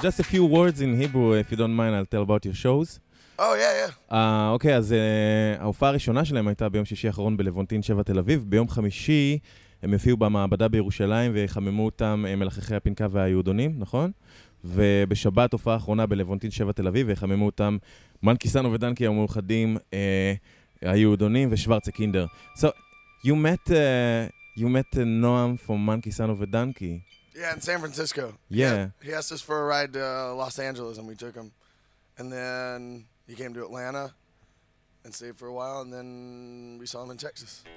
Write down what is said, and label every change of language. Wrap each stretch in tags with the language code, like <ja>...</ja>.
<en>Just a few words in Hebrew, if you don't mind, I'll tell about your shows. Oh, yeah, yeah.</en> <he>אוקיי, אז ההופעה הראשונה שלהם הייתה ביום שישי האחרון בלוונטין 7 תל אביב. ביום חמישי הם הופיעו במעבדה בירושלים וחממו אותם מלחכי הפנקה והיהודונים, נכון? ובשבת הופעה האחרונה בלוונטין 7 תל אביב וחממו אותם מנקי סאנו ודנקי המאוחדים היהודונים ושוורצה קינדר.</he> <en>So, you met Noam from מנקי סאנו ודנקי. Yeah, in San Francisco. Yeah. He asked us for a ride to Los Angeles, and we took him. And then he came to Atlanta and stayed for a while, and then we saw him in Texas.</en>